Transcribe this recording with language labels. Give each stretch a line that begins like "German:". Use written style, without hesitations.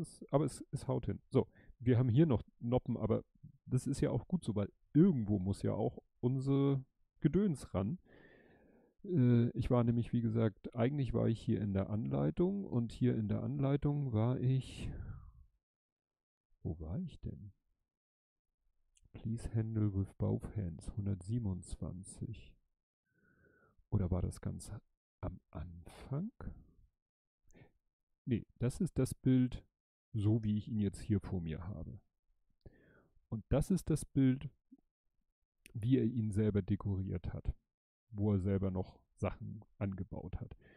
German: Aber es haut hin. So, wir haben hier noch Noppen, aber das ist ja auch gut so, weil irgendwo muss ja auch unser Gedöns ran. Ich war nämlich, wie gesagt, eigentlich war ich hier in der Anleitung und hier in der Anleitung war ich. Wo war ich denn?
English: Please handle with both hands. 127.
German: Oder war das ganz am Anfang? Nee, das ist das Bild, so wie ich ihn jetzt hier vor mir habe. Und das ist das Bild, wie er ihn selber dekoriert hat, wo er selber noch Sachen angebaut hat.